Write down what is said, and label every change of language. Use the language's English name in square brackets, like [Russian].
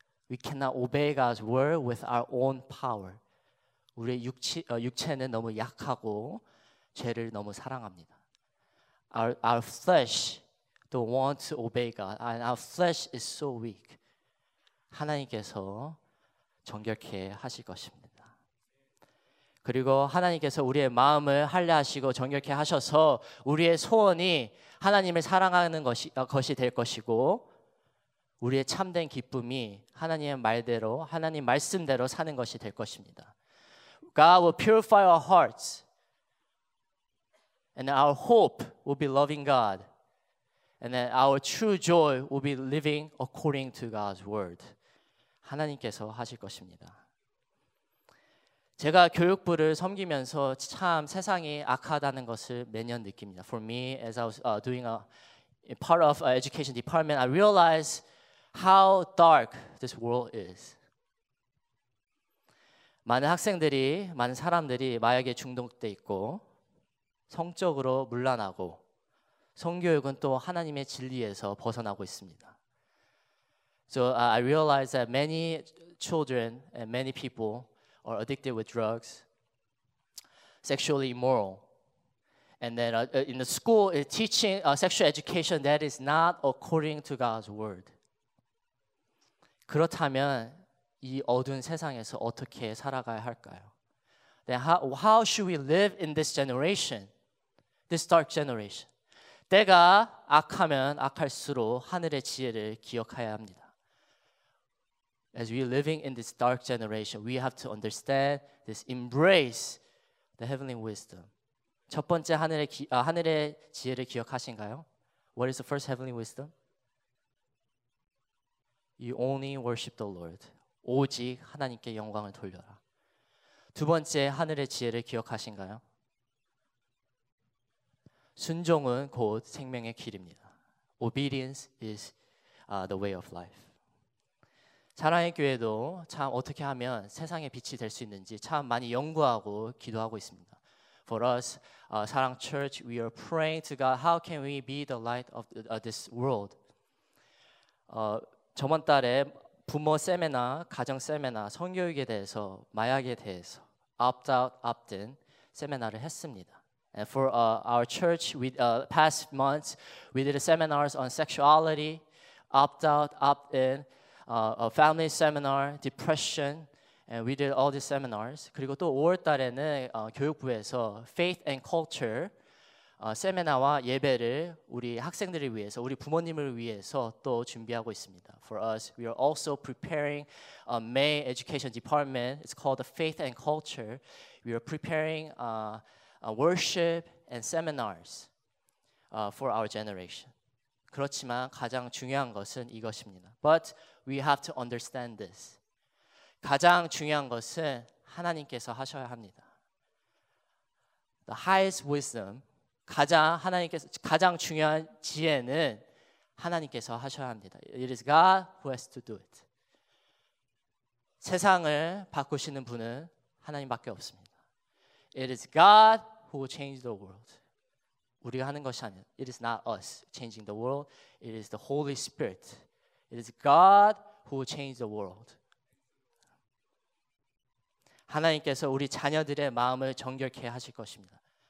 [English] We cannot obey God's word with our own power. [Korean] 우리의 육체는 너무 약하고 죄를 너무 사랑합니다. [English] Our flesh don't want to obey God and our flesh is so weak. [Korean] 하나님께서 정결케 하실 것입니다. 그리고 하나님께서 우리의 마음을 할례하시고 정결케 하셔서 우리의 소원이 하나님을 사랑하는 것이 될 것이고 우리의 참된 기쁨이 하나님의 말대로 하나님 말씀대로 사는 것이 될 것입니다. [English] God will purify our hearts And our hope will be loving God. And then our true joy will be living according to God's word. [Korean] 하나님께서 하실 것입니다. 제가 교육부를 섬기면서 참 세상이 악하다는 것을 매년 느낍니다. [English] For me, as I was doing a part of an education department, I realized how dark this world is. [Korean] 많은 학생들이, 많은 사람들이 마약에 중독돼 있고 성적으로 문란하고 성교육은 또 하나님의 진리에서 벗어나고 있습니다. [English] So I realized that many children and many people are addicted with drugs, sexually immoral. And then in the school, teaching sexual education that is not according to God's word. [Korean] 그렇다면 이 어두운 세상에서 어떻게 살아가야 할까요? [English] Then how should we live in this generation? This dark generation. [Korean] 때가 악하면 악할수록 하늘의 지혜를 기억해야 합니다. [English] As we are living in this dark generation, we have to understand this, embrace the heavenly wisdom. [Korean] 첫 번째 하늘의 지혜를 기억하신가요? [English] What is the first heavenly wisdom? You only worship the Lord. [Korean] 오직 하나님께 영광을 돌려라. 두 번째 하늘의 지혜를 기억하신가요? 순종은 곧 생명의 길입니다. [English] Obedience is the way of life. [Korean] 사랑의 교회도 참 어떻게 하면 세상에 빛이 될 수 있는지 참 많이 연구하고 기도하고 있습니다. [English] For us, 사랑 church, we are praying to God, how can we be the light of this world? [Korean] 저번 달에 부모 세미나, 가정 세미나, 성교육에 대해서, 마약에 대해서 opt-out, opt-in 세미나를 했습니다. [English] And for our church, past months, we did seminars on sexuality, opt-out, opt-in, a family seminar, depression, and we did all these seminars. [Korean] 그리고 또 5월 달에는 교육부에서 faith and culture 세미나와 예배를 우리 학생들을 위해서, 우리 부모님을 위해서 또 준비하고 있습니다. [English] For us, we are also preparing a May education department. It's called the Faith and Culture. We are preparing worship and seminars for our generation. [Korean] 그렇지만 가장 중요한 것은 이것입니다. [English] But we have to understand this. [Korean] 가장 중요한 것은 하나님께서 하셔야 합니다. [English] The highest wisdom, [Korean] 가장 하나님께서 가장 중요한 지혜는 하나님께서 하셔야 합니다. [English] It is God who has to do it. [Korean] 세상을 바꾸시는 분은 하나님밖에 없습니다. [English] It is God who will change the world. [Korean] 우리가 하는 것이 아니에요. [English] It is not us changing the world. It is the Holy Spirit. It is God who will change the world. [Korean] 하나님께서 우리 자녀들의 마음을 정결케 하실 것입니다.